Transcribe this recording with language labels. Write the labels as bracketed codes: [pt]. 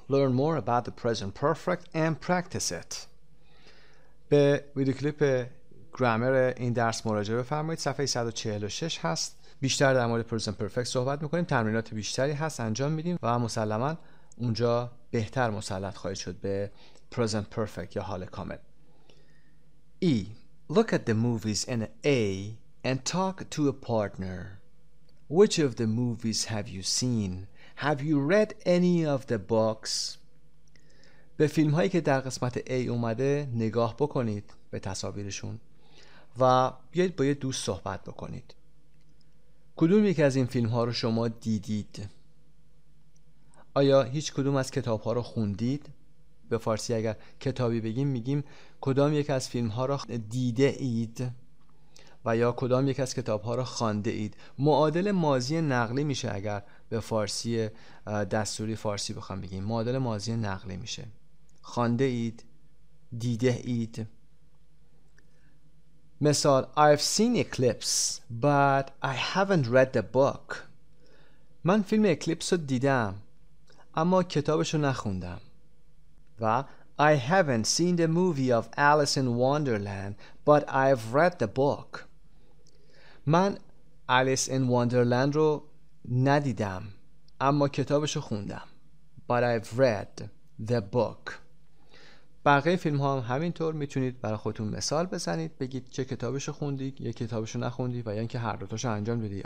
[en] Learn more about the present perfect and practice it. [fa] به ویدیو کلیپ گرامر این درس مراجعه بفرمایید. صفحه 146 هست. بیشتر در مورد present perfect صحبت میکنیم. تمرینات بیشتری هست انجام میدیم و مسلماً اونجا بهتر مسلط خواهید شد به present perfect یا حال کامل. [en] E. Look at the movies in A and talk to a partner. Which of the movies have you seen? Have you read any of the books? [fa] به فیلم هایی که در قسمت A اومده نگاه بکنید به تصاویرشون و بیایید با یه دوست صحبت بکنید. کدوم یکی از این فیلم ها رو شما دیدید؟ آیا هیچ کدوم از کتاب ها رو خوندید؟ به فارسی اگر کتابی بگیم میگیم کدام یک از فیلم ها را دیده اید و یا کدام یک از کتاب ها را خوانده اید. معادل ماضی نقلی میشه اگر به فارسی دستوری فارسی بخوام بگیم. معادل ماضی نقلی میشه خوانده اید، دیده اید. مثال [en] I've seen Eclipse but I haven't read the book. [fa] من فیلم اکلیپس رو دیدم اما کتابش رو نخوندم. و [en] I haven't seen the movie of Alice in Wonderland but I've read the book. [fa] من Alice in Wonderland رو ندیدم اما کتابش رو خوندم. [en] But I've read the book. [fa] بقیه فیلم ها هم همینطور میتونید برای خودتون مثال بزنید، بگید چه کتابش رو خوندی یا کتابش رو نخوندی و یا اینکه هر دوتاش رو انجام دادی.